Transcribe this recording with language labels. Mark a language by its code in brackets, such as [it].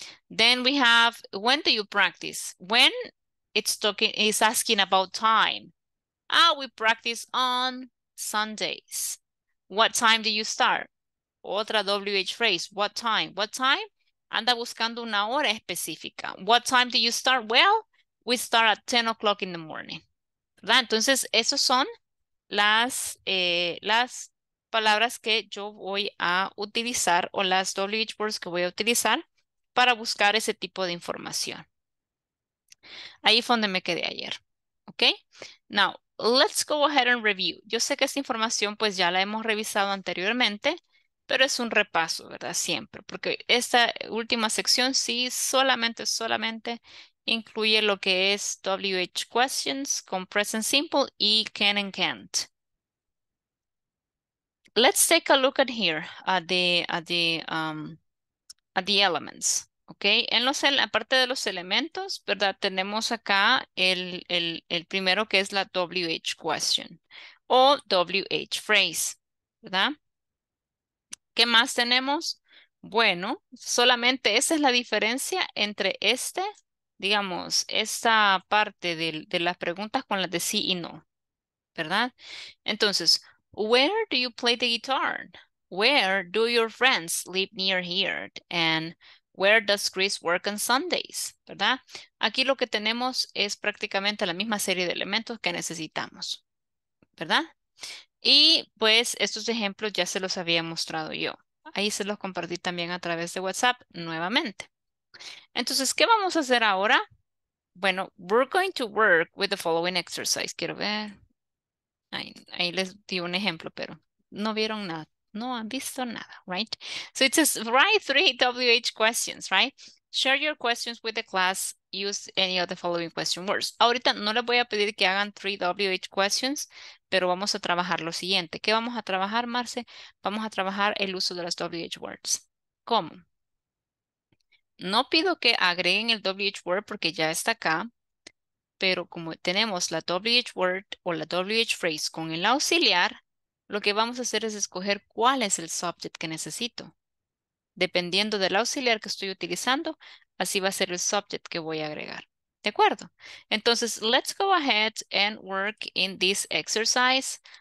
[en] Then we have, when do you practice? When it's asking about time. Ah, we practice on Sundays. What time do you start? [es] Otra WH phrase, [en] what time? What time? [es] Anda buscando una hora específica. [en] What time do you start? Well, we start at 10 o'clock in the morning. [es] ¿Verdad? Entonces, esas son las palabras que yo voy a utilizar o las WH words que voy a utilizar para buscar ese tipo de información. Ahí fue donde me quedé ayer. ¿Ok? [en] Now, let's go ahead and review. [es] Yo sé que esta información pues ya la hemos revisado anteriormente, pero es un repaso, ¿verdad? Siempre. Porque esta última sección sí solamente incluye lo que es WH questions con present simple y [en] can and can't. Let's take a look at here at the elements. [es] Okay, en los, en la parte de los elementos, ¿verdad? Tenemos acá el primero que es la WH question o WH phrase, ¿verdad? ¿Qué más tenemos? Bueno, solamente esa es la diferencia entre este, digamos, esta parte de las preguntas con las de sí y no, ¿verdad? [en] Entonces, where do you play the guitar? Where do your friends live near here? And where does Chris work on Sundays? ¿Verdad? [es] Aquí lo que tenemos es prácticamente la misma serie de elementos que necesitamos, ¿verdad? Y pues estos ejemplos ya se los había mostrado yo. Ahí se los compartí también a través de WhatsApp nuevamente. Entonces, ¿qué vamos a hacer ahora? [en] Bueno, we're going to work with the following exercise. [es] Quiero ver. Ahí les di un ejemplo, pero no vieron nada. No han visto nada, [en] right? So it says, write three WH questions, right? Share your questions with the class. Use any of the following question words. [es] Ahorita no les voy a pedir que hagan three WH questions, pero vamos a trabajar lo siguiente. ¿Qué vamos a trabajar, Marce? Vamos a trabajar el uso de las WH words. ¿Cómo? No pido que agreguen el WH word porque ya está acá, pero como tenemos la WH word o la WH phrase con el auxiliar, lo que vamos a hacer es escoger cuál es el subject que necesito. Dependiendo del auxiliar que estoy utilizando, así va a ser el subject que voy a agregar. ¿De acuerdo? [en] Entonces, let's go ahead and work in this exercise.